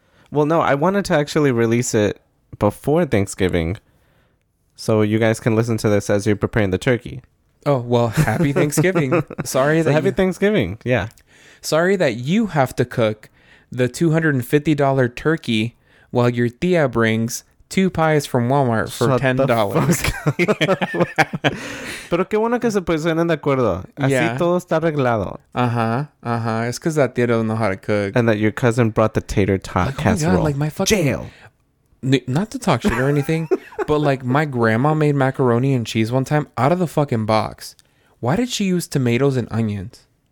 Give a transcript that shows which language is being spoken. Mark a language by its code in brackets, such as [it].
[en] Well, no, I wanted to actually release it before Thanksgiving so you guys can listen to this as you're preparing the turkey. Oh, well, happy Thanksgiving. Thanksgiving. Yeah. Sorry that you have to cook the $250 turkey while your tia brings two pies from Walmart for $10. [es] Pero qué bueno que se pusieron de acuerdo. Así todo está arreglado. [en] It's because that tia doesn't know how to cook. And that your cousin brought the tater tot casserole. Oh my God, like my fucking... Jail. Not to talk shit or anything, but like my grandma made macaroni and cheese one time out of the fucking box. Why did she use tomatoes and onions?